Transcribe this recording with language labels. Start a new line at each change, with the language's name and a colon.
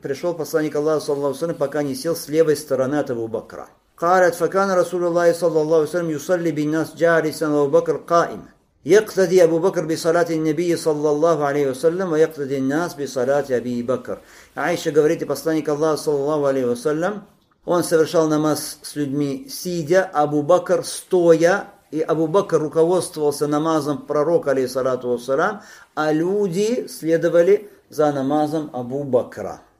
Russian: Пришел посланник Аллаха
Arabic: صلى الله عليه وسلم,
Russian: пока не сел с левой стороны от Абу Бакра.
Arabic: قالت فكان رسول الله صلى الله عليه وسلم يصلي بالناس جالسا وأبو بكر قائما. يقتدي أبو بكر بصلاة النبي صلى الله عليه وسلم ويقتدي الناس بصلاة أبي بكر.
Russian: عائشة говорит, посланник Аллаха
Arabic: صلى الله عليه وسلم,
Russian: он совершал намаз с людьми сидя, Абу Бакр стоя, и Абу Бакр руководствовался намазом пророка, алейхиссалату вассалям, а люди следовали за намазом Абу Бакра.